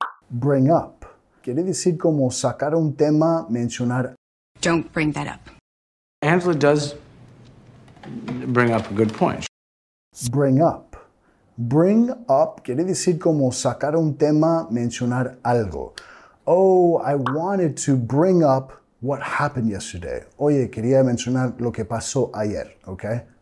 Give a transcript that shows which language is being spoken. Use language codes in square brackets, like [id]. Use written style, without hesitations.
[en] Bring up. [es] Quiere decir como sacar un tema, mencionar. [en] Don't bring that up. Angela does bring up a good point. Bring up. Bring up [es] quiere decir como sacar un tema, mencionar algo. [en] Oh, I wanted to bring up what happened yesterday. [es] Oye, quería mencionar lo que pasó ayer, okay?